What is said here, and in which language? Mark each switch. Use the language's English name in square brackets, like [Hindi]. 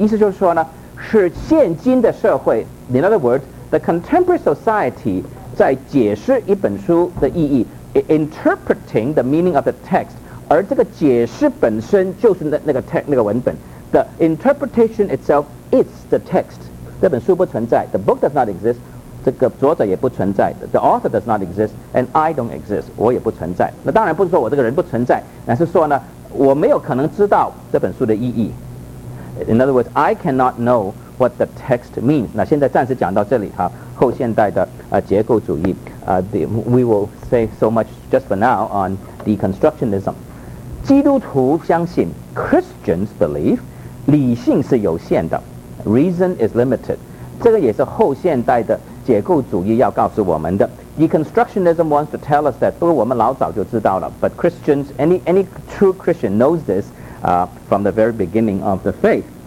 [Chinese] 意思就是说呢, 是现今的社会, [English] in other words, the contemporary society [Chinese] 在解释一本书的意义, [English] interpreting the meaning of the text, [Chinese] 而这个解释本身就是那个文本, [English] the interpretation itself is the text. [Chinese] 这本书不存在, [English] the book does not exist, [Chinese] 这个作者也不存在, [English] the author does not exist, and I don't exist, [Chinese] 我也不存在. 那当然不是说我这个人不存在, 乃是说呢, 我没有可能知道这本书的意义。 [English] In other words, I cannot know what the text means. [Chinese] 那现在暂时讲到这里, 哈, 后现代的, 结构主义, [English] we will say so much just for now on deconstructionism. [Chinese] 基督徒相信, [English] Christians believe, [Chinese] 理性是有限的, [English] reason is limited. [Chinese] 这个也是后现代的结构主义要告诉我们的。 [English] Deconstructionism wants to tell us that, [Chinese] 不过我们老早就知道了, [English] but Christians, any true Christian knows this from the very beginning of the faith.